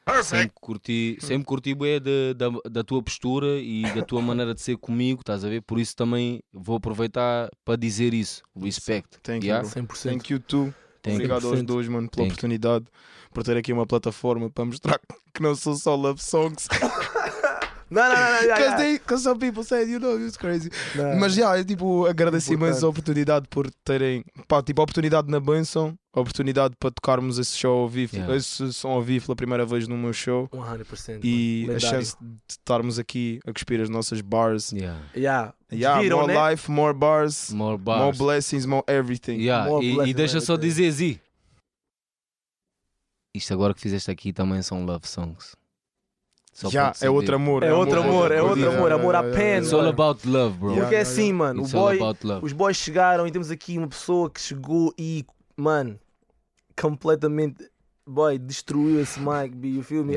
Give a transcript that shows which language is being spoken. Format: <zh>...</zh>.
<pt>Sempre curti bué da tua postura e da tua maneira de ser comigo, estás a ver? Por isso também vou aproveitar para dizer isso.</pt> <en>Respect. Thank you, 100%. Thank you too.</en> <pt>Obrigado aos dois, mano, pela oportunidade, por ter aqui uma plataforma para mostrar que não sou só love songs. Não,</pt> <en>because some people said, you know, it's crazy.</en> <pt>Não. Mas já, yeah, tipo, agradeci mais a oportunidade por terem. Pá, tipo, a oportunidade na Benção, a oportunidade para tocarmos esse show ao vivo, esse som ao vivo pela primeira vez no meu show. 100%. E a chance de estarmos aqui a cuspir as nossas bars. Yeah.</pt> <en>Viram, more life, more bars. More bars. More blessings, more everything. Yeah. More</en> <pt>blessings, e deixa só dizer, Zi. Isto agora que fizeste aqui também são love songs. É outro amor. É outro amor.</pt> <en>It's all about love, bro.</en> <pt>Porque é assim, mano. Os boys chegaram e temos aqui uma pessoa que chegou e, mano, completamente, boy, destruiu esse mic, B, you feel me?</pt>